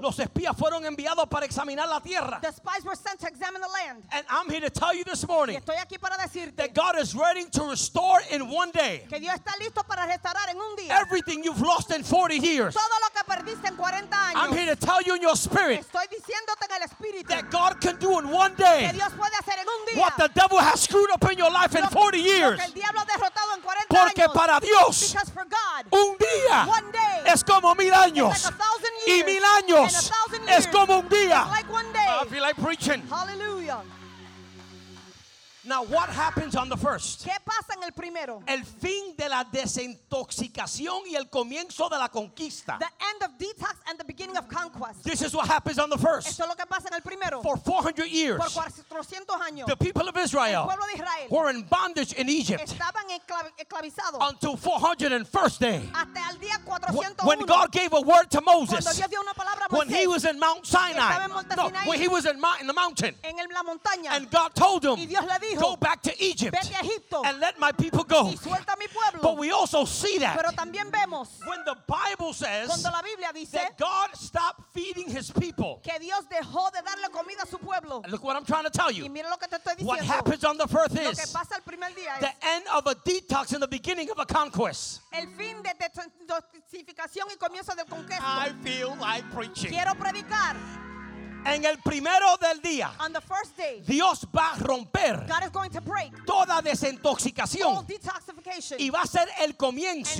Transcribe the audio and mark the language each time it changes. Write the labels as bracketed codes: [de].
[es] Los espías fueron enviados para examinar la tierra. [en] The spies were sent to examine the land. And I'm here to tell you this morning, [es] y estoy aquí para decirte, [en] that God is ready to restore in one day, [es] que Dios está listo para restaurar en un día, [en] everything you've lost in 40 years. [es] Todo lo que perdiste en 40 años. [en] I'm here to tell you in your spirit, [es] estoy diciéndote en el espíritu, [en] that God can do in one day, [es] que Dios puede hacer en un día, [en] what the devil has screwed up in your life in 40 years. [es] Lo que el diablo ha derrotado en 40 porque años. Para Dios, [en] because for God, [es] un día, [en] one day, [es] es como mil años. [en] Like a thousand years, [es] y mil años es como un día. [en] Like one day. I feel like preaching. Hallelujah. Now, what happens on the first? [es] ¿Qué pasa en el primero? El fin de la desintoxicación y el comienzo de la conquista. [en] The end of detox and the beginning of conquest. This is what happens on the first. [es] Esto es lo que pasa en el primero. [en] For 400 years, [es] por 400 años, [en] the people of Israel, [es] el pueblo de Israel, [en] were in bondage in Egypt. [es] Estaban esclavizados. [en] Until 401st day, [es] hasta el día 401. [en] When God gave a word to Moses, [es] cuando Dios dio una palabra a Moisés, [en] when he was in Mount Sinai, [es] estaba en Monte Sinaí, [en] no, when he was in the mountain, [es] en la montaña, [en] and God told him, [es] y Dios le dijo, [en] go back to Egypt, [es] vete a Egipto, [en] and let my people go. [es] Y suelta a mi pueblo. [en] But we also see that, [es] pero también vemos, [en] when the Bible says, [es] cuando la Biblia dice, [en] that God stopped feeding his people, [es] que Dios dejó de darle comida a su pueblo. [en] And look what I'm trying to tell you. [es] Y mira lo que te estoy diciendo. [en] What happens on the first is, [es] lo que pasa el primer día es, [en] the end of a detox and the beginning of a conquest. [es] El fin de detoxificación y comienzo del conquest. [en] I feel like preaching. [es] Quiero predicar. En el primero del día, [en] on the first day, [es] Dios va a romper, [en] God is going to break, [es] toda desintoxicación, [en] all detoxification, [es] y va a ser el comienzo,